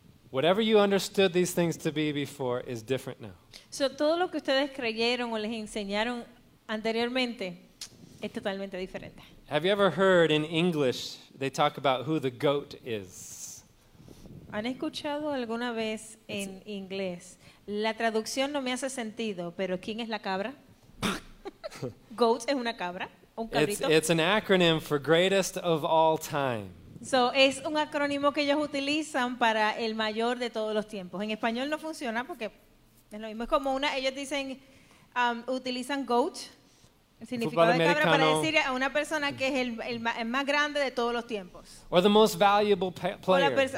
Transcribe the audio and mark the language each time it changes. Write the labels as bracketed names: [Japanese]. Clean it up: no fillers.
[English] Whatever you understood these things to be before is different now. [Spanish] So todo lo que ustedes creyeron o les enseñaron anteriormente es totalmente diferente. [English] Have you ever heard in English they talk about who the goat is? [Spanish] ¿Han escuchado alguna vez en inglés? La traducción no me hace sentido, pero ¿quién es la cabra? Goat es una cabra. [English] It's an acronym for greatest of all time. [Spanish] So, es un acrónimo que ellos utilizan para el mayor de todos los tiempos. En español no funciona porque es lo mismo. Es como una, ellos dicen, utilizan goat, el significado de cabra, para decir a una persona que es el más grande de todos los tiempos. [English] Or the most valuable player.